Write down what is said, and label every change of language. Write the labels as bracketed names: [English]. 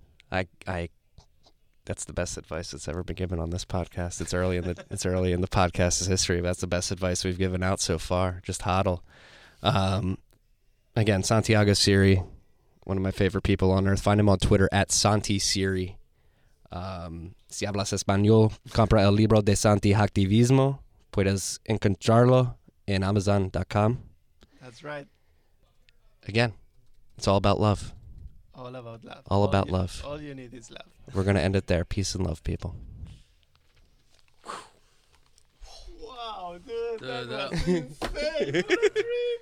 [English] I that's the best advice that's ever been given on this podcast. It's early in the it's early in the podcast's history, but that's the best advice we've given out so far. Just huddle. Again, Santiago Siri, one of my favorite people on earth. Find him on Twitter at Santi Siri. [Spanish] Si hablas español, compra el libro de Santi Hacktivismo. Puedes encontrarlo en Amazon.com. [English] That's right. Again, it's all about love. All about love. All about love. All you need is love. We're going to end it there. Peace and love, people. Wow, dude. That was insane. What a dream.